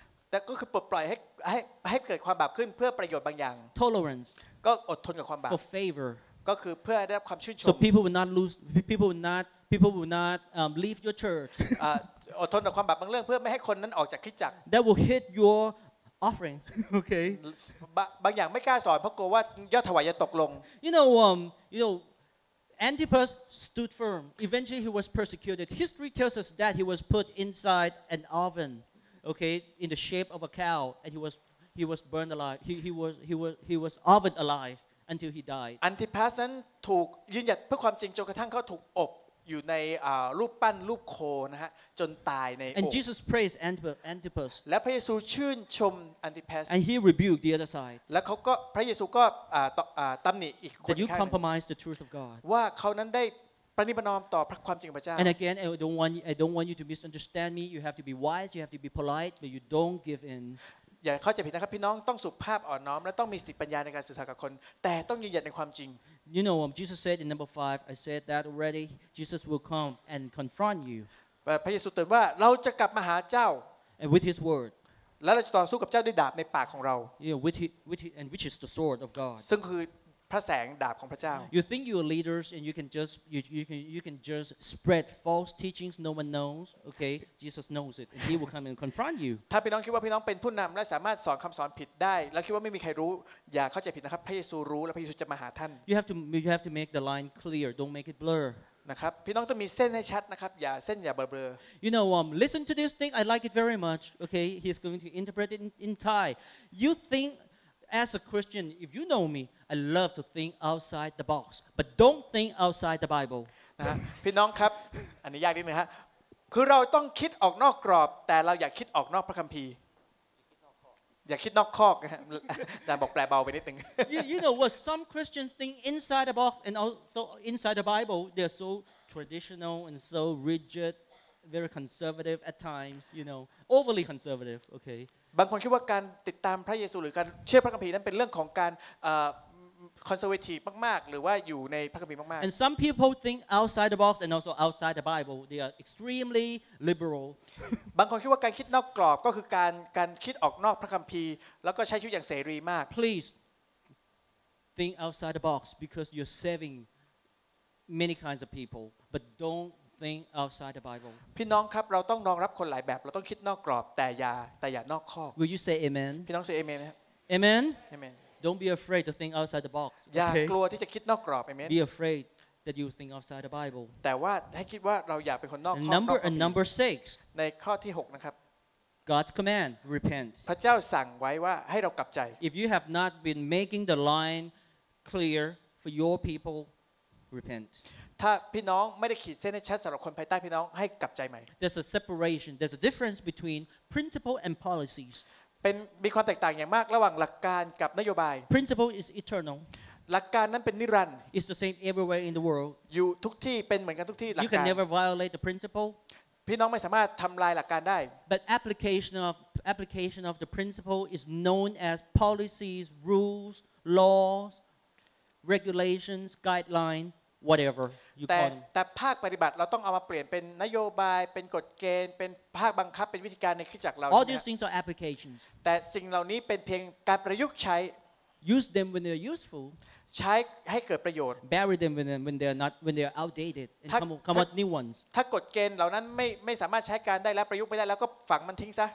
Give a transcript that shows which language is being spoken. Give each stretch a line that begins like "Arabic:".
Thai: แต่ก็คือปล่อยให้เกิดความบาปขึ้นเพื่อประโยชน์บางอย่าง
English: tolerance
Thai: ก็อดทนกับความบาป
English: for favor
Thai: ก็คือเพื่อได้รับความชื่นชม
English: so people will not lose people will not leave your church
Thai: อดทนต่อความบาปบางเรื่องเพื่อไม่ให้คนนั้นออกจากคริสตจักร
English: that will hit your offering okay
Thai: บางอย่างไม่กล้าสอนเพราะกลัวว่ายอดถวายจะตกลง
English: you know Antipas stood firm eventually he was persecuted history tells us that he was put inside an oven okay in the shape of a cow and he was burned alive he was ovened aliveUntil he died.
Thai: Antipas then ถูกยืนหยัดเพื่อความจริงจนกระทั่งเขาถูกอบอยู่ในรูปปั้นรูปโคนะฮะจนตายในอบ
English: And Jesus praised Antipas.
Thai: และพระเยซูชื่นชม Antipas.
English: And he rebuked the other side.
Thai: และเขาก็พระเยซูก็ตำหนิอีกคน
English: นึง That you compromise the truth of God.
Thai: ว่าเขานั้นได้ประนีประนอมต่อพระความจริงของพระเจ้า
English: And again, I don't want you to misunderstand me. You have to be wise. You have to be polite, but you don't give in.
Thai: อย่าเข้าใจผิดนะครับพี่น้องต้องสุภาพอ่อนน้อมและต้องมีสติปัญญาในการสื่อสารกับคนแต่ต้องยืนหยัดในความจริง
English: You know Jesus said in number 5 I said that already Jesus will come and confront you
Thai: พระเยซูตรัสว่าเราจะกลับมาหาเจ้า
English: And with his word
Thai: และเราจะต่อสู้กับเจ้าด้วยดาบในปากของเรา
English: You know, with his, and which is the sword of God
Thai: ซึ่งคือพระแสงดาบของพระเจ้า
English: You think you are leaders and you can just spread false teachings no one knows okay Jesus knows it and he will come and confront you
Thai: ถ้าพี่น้องคิดว่าพี่น้องเป็นผู้นำและสามารถสอนคำสอนผิดได้แล้วคิดว่าไม่มีใครรู้อย่าเข้าใจผิดนะครับพระเยซูรู้และพระเยซูจะมาหาท่าน
English: You have to make the line clear don't make it blur
Thai: นะครับพี่น้องต้องมีเส้นให้ชัดนะครับอย่าเส้นอย่าเบลอ
English: ๆ You know listen to this thing I like it very much okay he's going to interpret it in Thai you thinkAs a Christian, if you know me, I love to think outside the box. But don't think outside the Bible.
Thai: พี่น้องครับอันนี้ยากนิดนึงฮะคือเราต้องคิดออกนอกกรอบแต่เราอย่าคิดออกนอกพระคัมภีร์อย่าคิดนอกคอกนะฮะอาจารย์บอกแปลเบาไปนิดนึง
English: You know what some Christians think inside the box and also inside the Bible they're so traditional and so rigid very conservative at times you know overly conservative okay
Thai: บางคนคิดว่าการติดตามพระเยซูหรือการเชื่อพระคัมภีร์นั้นเป็นเรื่องของการคอนเซอร์เวทีฟมากๆหรือว่าอยู่ในพระคัมภีร์มาก
English: ๆ And some people think outside the box and also outside the Bible they are extremely liberal
Thai: บางคนคิดว่าการคิดนอกกรอบก็คือการคิดออกนอกพระคัมภีร์แล้วก็ใช้ชีวิตอย่างเสรีมาก
English: Please think outside the box because you're saving many kinds of people but don'tThing outside the Bible.
Thai: พี่น้องครับเราต้องรองรับคนหลายแบบเราต้องคิดนอกกรอบแต่อย่านอกข้อ
English: Will you say Amen?
Thai: พี่น้อง ใ ช่ Amen ไ
English: หม Amen. Amen. Don't be afraid to think outside the box.
Thai: อย่ากลัวที่จะคิดนอกกรอบ Amen.
English: Be afraid that you think outside the Bible.
Thai: แต่ว่าให้คิดว่าเราอย่าเป็นคนนอกข้อ
English: Number six.
Thai: ในข้อที่6นะครับ
English: God's command, repent.
Thai: พระเจ้าสั่งไว้ว่าให้เรากลับใจ
English: If you have not been making the line clear for your people, repent.
Thai: ถ้าพี่น้องไม่ได้ขีดเส้นให้ชัดสำหรับคนภายใต้พี่น้องให้กลับใจใหม่
English: There's a separation. There's a difference between principle and policies.
Thai: เป็นมีความแตกต่างอย่างมากระหว่างหลักการกับนโยบาย
English: Principle is eternal.
Thai: หลักการนั้นเป็นนิรันดร์
English: It's the same everywhere in the world.
Thai: อยู่ทุกที่เป็นเหมือนกันทุกที่หลักการ
English: You can never violate the principle.
Thai: พี่น้องไม่สามารถทำลายหลักการได้
English: But application of the principle is known as policies, rules, laws, regulations, guidelines. Whatever you call it.
Thai: แต่ภาคปฏิบัติเราต้องเอามาเปลี่ยนเป็นนโยบายเป็นกฎเกณฑ์เป็นภาคบังคับเป็นวิธีการในคริสตจักรเรา
English: All these things are applications.
Thai: แต่สิ่งเหล่านี้เป็นเพียงการประยุกต์ใช้
English: Use them when they're useful.
Thai: ใช้ให้เกิดประโยชน์
English: Bury them when they're outdated and come up new ones.
Thai: ถ้ากฎเกณฑ์เหล่านั้นไม่สามารถใช้การได้และประยุกต์ไม่ได้แล้วก็ฝังมันทิ้งซะ